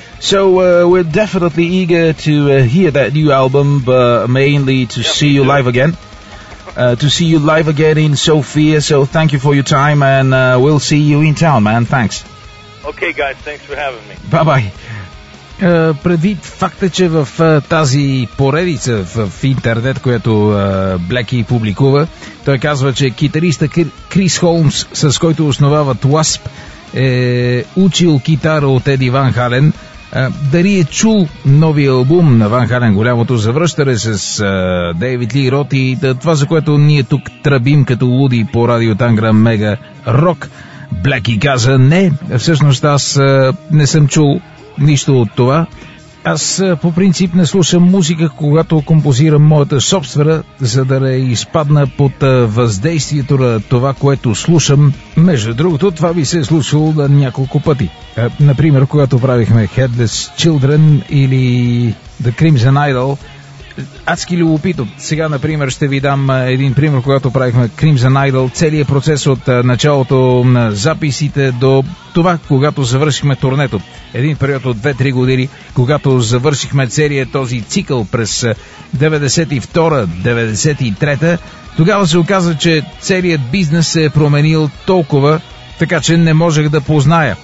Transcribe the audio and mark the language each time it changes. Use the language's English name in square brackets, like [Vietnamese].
[English] So we're definitely eager to hear that new album, but mainly to see you live again. To see you live again in Sofia. So thank you for your time, and we'll see you in town, man. Thanks. Okay, guys, thanks for having me. Bye-bye. [Bulgarian] Предвид факта, че в тази поредица в интернет, която Блеки публикува, той казва, че китариста Крис Холмс, с който основават Wasp, е учил китара от Еди Ван Хален. Дари е чул новия албум на Ван Хален, голямото завръщане с Дейвид Ли Рот и това, за което ние тук тръбим като луди по радио Тангра Мега Рок. Блеки каза не, всъщност аз не съм чул нищо от това. Аз по принцип не слушам музика, когато композирам моята собствена, за да не изпадна под въздействието на това, което слушам. Между другото, това ми се е случило на няколко пъти. Например, когато правихме Headless Children или The Crimson Idol. Адски любопитно. Сега, например, ще ви дам един пример, когато правихме Crimson Idol. Целият процес от началото на записите до това, когато завършихме турнето. Един период от 2-3 години, когато завършихме целият този цикъл през 92-93, тогава се оказа, че целият бизнес се е променил толкова, така че не можех да позная.